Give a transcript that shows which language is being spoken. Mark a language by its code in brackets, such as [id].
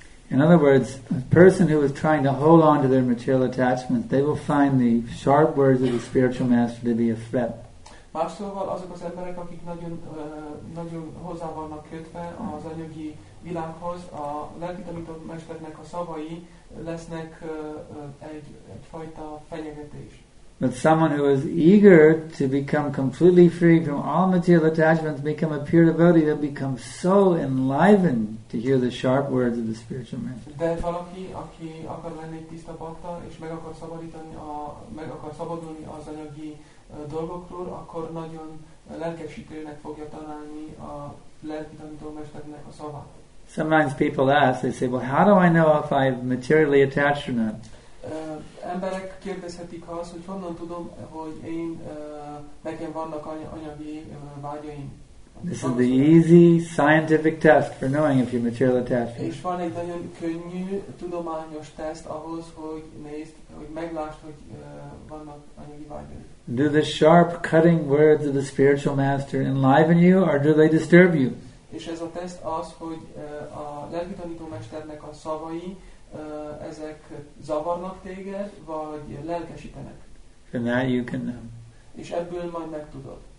[en] In other words, a person who is trying to hold on to their material attachments, they will find the sharp words of the spiritual master to be a threat. [hu] Más szóval azok az emberek, akik nagyon hozzá vannak kötve az anyagi világhoz, a lelki tanító mesternek a szavai lesznek egyfajta fenyegetés. [en] But someone who is eager to become completely free from all material attachments, become a pure devotee, they'll become so enlivened to hear the sharp words of the spiritual master. [hu] De valaki, aki akar lenni egy tiszta bhakta, és meg akar szabadulni az anyagi dolgokról, akkor nagyon lelkesítőnek fogja találni a lelki tanító mesternek a szavát. [en] Sometimes people ask, they say, well, how do I know if I'm materially attached or not? [hu] Emberek kérdezhetik azt, hogy honnan tudom, hogy én nekem vannak anyagi vágyaim. [en] This is the easy scientific test for knowing if you're material attached. [hu] És van egy nagyon könnyű tudományos teszt ahhoz, hogy nézd, hogy meglásd, hogy vannak anyagi vágyaim. [en] Do the sharp cutting words of the spiritual master enliven you or do they disturb you? [hu] És ez a teszt az, hogy a lelki tanító mesternek a szavai ezek zavarnak téged, vagy lelkesítenek. [en] And that you can know. [hu] És ebből majd megtudod.